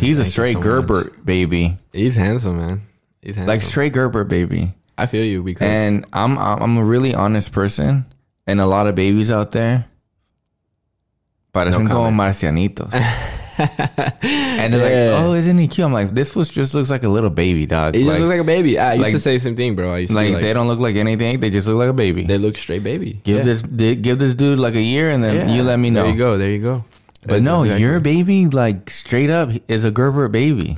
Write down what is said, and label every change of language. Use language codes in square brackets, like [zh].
[en] He's a straight Gerber baby. He's handsome, man. He's handsome. Like, straight Gerber baby. I feel you because... And I'm a really honest person. And a lot of babies out there... [es] Parecen como marcianitos. [en] And they're like, oh, isn't he cute? I'm like, this fool just looks like a little baby, dog. He just looks like a baby. I used to say the same thing, bro. I used to like, they don't look like anything. They just look like a baby. They look straight baby. Give this dude like a year and then you let me know. There you go. But no, your baby, like, straight up is a Gerber baby.